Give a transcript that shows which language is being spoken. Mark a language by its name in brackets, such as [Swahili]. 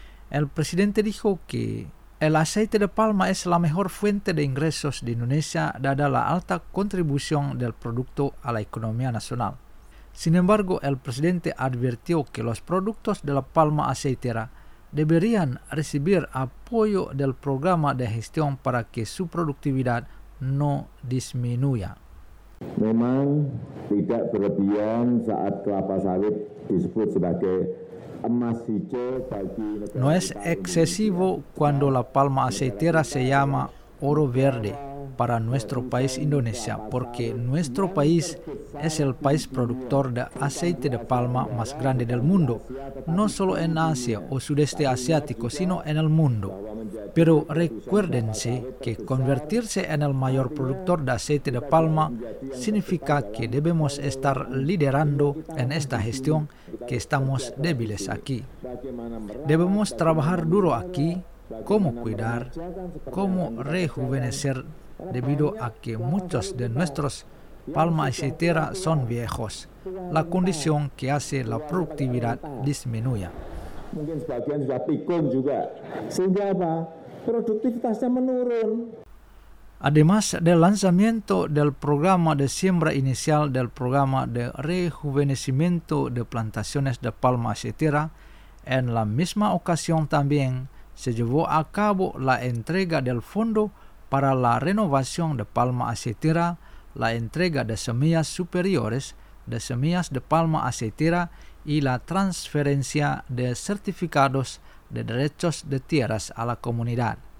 [Spanish] El presidente dijo que el aceite de palma es la mejor fuente de ingresos de Indonesia dada la alta contribución del producto a la economía nacional. Sin embargo, el presidente advirtió que los productos de la palma aceitera deberían recibir apoyo del programa de gestión para que su productividad no disminuya. [Indonesian] Memang tidak berlebihan saat kelapa sawit disebut sebagai emas hijau bagi negara. [Spanish] No es excesivo cuando la palma aceitera se llama oro verde para nuestro país Indonesia, porque nuestro país es el país productor de aceite de palma más grande del mundo, no solo en Asia o sudeste asiático, sino en el mundo. Pero recuérdense que convertirse en el mayor productor de aceite de palma significa que debemos estar liderando en esta gestión, que estamos débiles aquí. Debemos trabajar duro aquí, cómo cuidar, cómo rejuvenecer, debido a que muchos de nuestros palma aceitera son viejos, la condición que hace la productividad disminuya. [Indonesian] Mungkin sebagian sudah pikun juga, sehingga apa? Produktivitasnya menurun. [Spanish] Además del lanzamiento del programa de siembra inicial del programa de rejuvenecimiento de plantaciones de palma aceitera, en la misma ocasión también se llevó a cabo la entrega del fondo para la renovación de palma aceitera, la entrega de semillas superiores de semillas de palma aceitera y la transferencia de certificados de derechos de tierras a la comunidad.